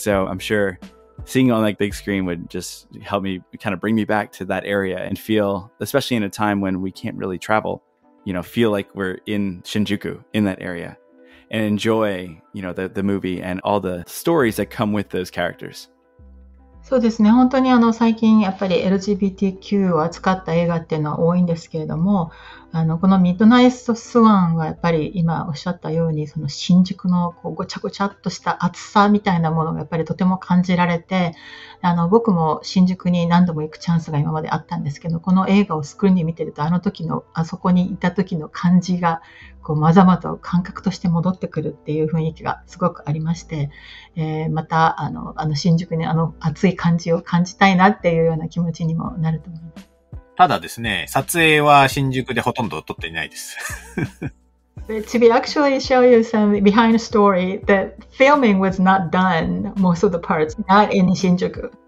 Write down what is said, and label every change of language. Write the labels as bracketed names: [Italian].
[English] So I'm sure seeing on like big screen would just help me kind of bring me back to that area and feel, especially in a time when we can't really travel, you know, feel like we're in Shinjuku in that area and enjoy, you know, the movie and all the stories that come with those characters. [Japanese] そうですね。本当に最近やっぱり LGBTQ を扱った映画っていうのは多いんですけれども、このミッドナイトスワンはやっぱり今おっしゃったように、その新宿のこうごちゃごちゃっとした暑さみたいなものがやっぱりとても感じられて、僕も新宿に何度も行くチャンスが今まであったんですけど、この映画をスクリーンで見てると、あそこにいた時の感じが、こうまざまと感覚として戻ってくるっていう雰囲気がすごくありまして、また新宿に熱い感じを感じたいなっていうような気持ちにもなると思います。ただですね、撮影は新宿でほとんど撮っていないです。 [English] To be actually show you some behind story, the filming was not done, most of the parts, not in 新宿。